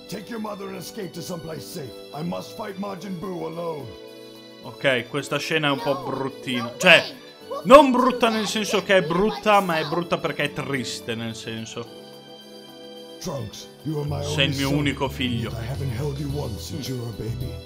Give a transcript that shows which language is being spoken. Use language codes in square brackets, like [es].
[en] Take your mother and escape to someplace safe. I must fight Majin Buu alone. [it] Ok, questa scena è un po' bruttina. Cioè, non brutta nel senso che è brutta, ma è brutta perché è triste, nel senso. [en] Trunks, you are my only son. [it] Sei il mio unico figlio. [en] I haven't held you once since you were a baby.